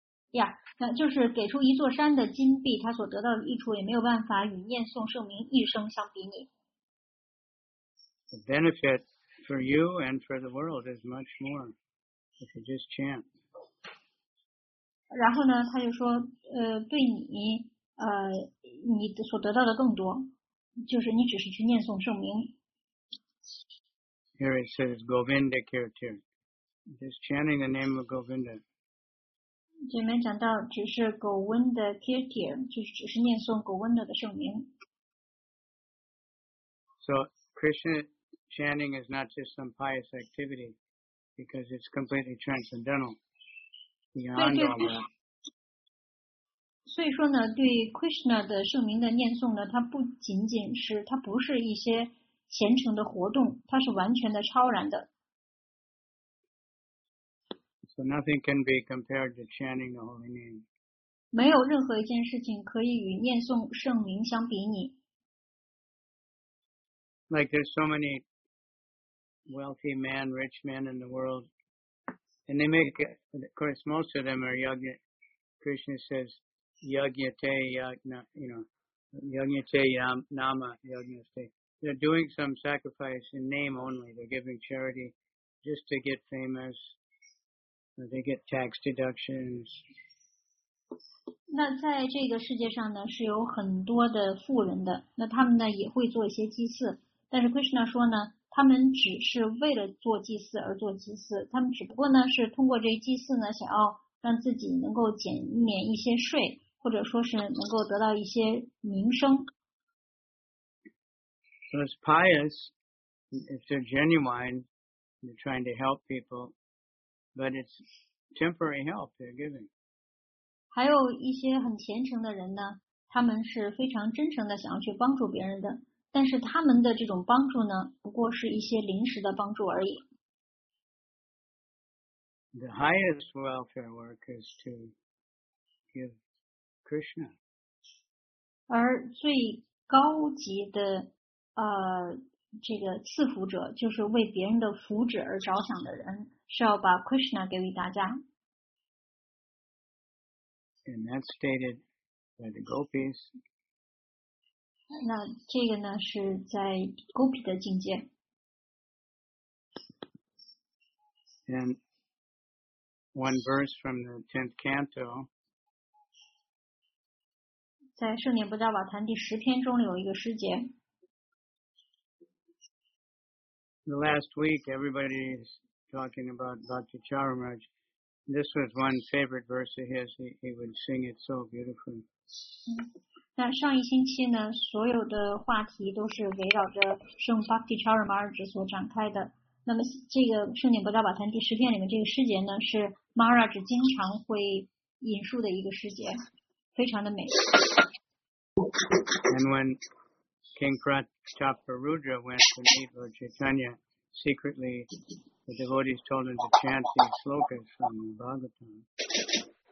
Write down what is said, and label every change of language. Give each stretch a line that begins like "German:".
Chinese: Yeah, 就是给出一座山的金币，他所得到的益处也没有办法与念诵圣名一生相比拟。
English: The benefit for you and for the world is much more if you just chant.
Chinese: 然后呢，他就说，对你，你所得到的更多，就是你只是去念诵圣名。
English: Here it says Govinda Kirtan, just chanting the name of Govinda.
Chinese: 这里面讲到，只是狗温的 Kirtir， 就是只是念诵狗温的圣名。
English: So Krishna chanting is not just some pious activity, because it's completely transcendental beyond all that.
Chinese: 所以说呢，对 Krishna 的圣名的念诵呢，它不是一些虔诚的活动，它是完全的超然的。
English: So nothing can be compared to chanting the holy name.
Chinese: 没有任何一件事情可以与念诵圣名相比拟。
English: Like there's so many wealthy men, rich men in the world, and they make, of course, most of them are yajna. Krishna says yajnate yajna, yajnate nama yajnate. They're doing some sacrifice in name only. They're giving charity just to get famous. They get tax deductions.
Chinese: 那在这个世界上呢，是有很多的富人的。那他们呢也会做一些祭祀，但是 Krishna 说呢，他们只是为了做祭祀而做祭祀，他们只不过呢是通过这祭祀呢，想要让自己能够减免一些税，或者说是能够得到一些名声。
English: So it's pious if they're genuine, they're trying to help people, but it's temporary help they're giving.
Chinese: 还有一些很虔诚的人呢，他们是非常真诚的想要去帮助别人的，但是他们的这种帮助呢，不过是一些临时的帮助而已。
English: The highest welfare work is to give Krishna.
Chinese: 而最高级的这个赐福者，就是为别人的福祉而着想的人，是要把 Krishna 给予大家。
English: And that's stated by the gopis.
Chinese: 那这个呢，是在 gopi 的境界。
English: And one verse from the 10th canto.
Chinese: 在圣严布达瓦坛第十篇中有一个诗节。
English: The last week, everybody is talking about Bhakti Charamraj. This was one favorite verse of his. He would sing it so beautifully.
Chinese: 那上一星期呢，所有的话题都是围绕着圣 Bhakti Charamraj 所展开的。那么这个圣严布达瓦坛第十篇里面这个诗节呢，是 Maharaj 经常会引述的一个诗节，非常的美。
English: And when King Pratapa Rudra went to meet Lord Chaitanya secretly, the devotees told him to chant these slokas from the Bhagavatam.